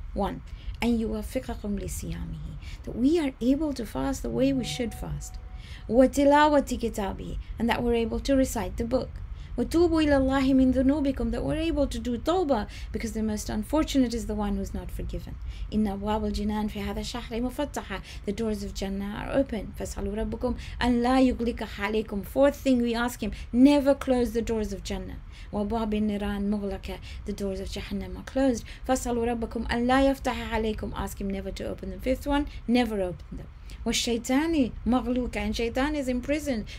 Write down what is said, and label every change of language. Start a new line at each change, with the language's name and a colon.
English: One,
Arabic: "an yuwaffiqakum li siyamihi,"
English: that we are able to fast the way we should fast,
Arabic: "wa tilawati kitabi,"
English: and that we're able to recite the book,
Arabic: "وَتُوبُوا إِلَى اللَّهِ مِنْ ذُنُوبِكُمْ,"
English: that we're able to do tawbah, because the most unfortunate is the one who's not forgiven.
Arabic: "إِنَّ أَبْوَابَ الْجِنَّانِ فِي هَذَا الشَّهْرِ مُفَتَّحَةٌ,"
English: the doors of Jannah are open.
Arabic: "فَاسْأَلُوا رَبُّكُمْ أَنْ لَا يُغْلِقَ عَلَيْكُمْ,"
English: fourth thing we ask him, never close the doors of Jannah.
Arabic: "وَأَبْوَابَ النِّيرَانِ مُغْلَقَةٌ,"
English: the doors of Jahannam are closed.
Arabic: "فَاسْأَلُوا رَبُّكُمْ أَنْ لَا يَفْتَحَ عَلَيْكُمْ,"
English: ask him never to open them. Fifth one, never open them.
Arabic: "وَالشَّيْطَانِ مَغْلُوكَ,"
English: and shaitan is imprisoned.